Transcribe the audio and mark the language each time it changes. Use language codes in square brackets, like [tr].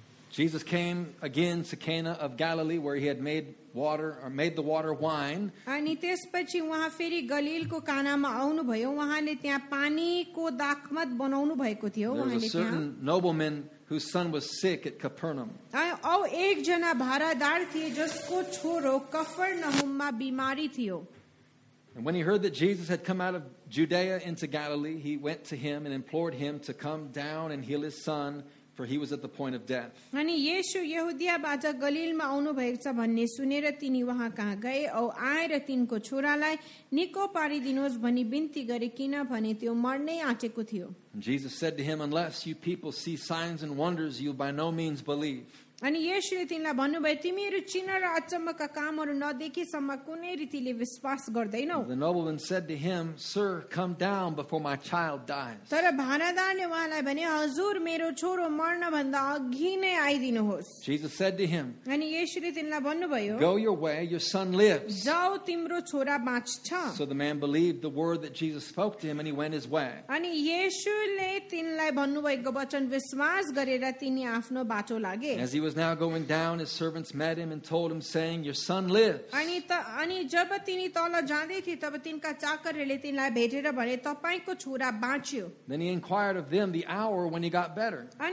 [en] Jesus came again to Cana of Galilee where he had made the water wine. [ne] अनि त्यसपछि उहाँ फेरि गलिलको कानामा आउनु भयो उहाँले त्यहाँ पानीको दाखमत बनाउनु भएको थियो उहाँले [en] whose son was sick at Capernaum. [ne] औ एक जना भारादार थिए जसको छोरो कफरनहुममा बिमारी थियो. [en] And when he heard that Jesus had come out of Judea into Galilee, he went to him and implored him to come down and heal his son, for he was at the point of death. [ne] अनि येशू यहुदियाबाट गलिलमा आउनु भएको छ भन्ने सुनेर तिनी वहाँ कहाँ गए औ आएर तिनको छोरालाई निको पारिदिनुस् भनी बिन्ती गरे किनभने त्यो मर्नै आँटेको थियो. [en] Jesus said to him, unless you people see signs and wonders, you by no means believe. [ne] अनि येशूले तिनलाई भन्नुभयो तिमीहरू चिन्ह र अचम्मका कामहरू नदेखेसम्म कुनै रीतिले विश्वास गर्दैनौ. [en] The nobleman said to him, sir, come down before my child dies. [ne] तर भानादारले उहाँलाई भने हजुर मेरो छोरो मर्न भन्दा अघि नै आइदिनुहोस्. [en] Jesus said to him, [ne] अनि येशूले तिनलाई भन्नुभयो [en] go your way, your son lives. [ne] जाऊ तिम्रो छोरा बाँच्छ. [en] So the man believed the word that Jesus spoke to him and he went his way. [ne] अनि येशूले तिनलाई भन्नुभएको वचन विश्वास गरेर तिनी आफ्नो बाटो लागे. [en] He was now going down, his servants met him and told him, saying, your son lives. Then he inquired of them the hour when he got better.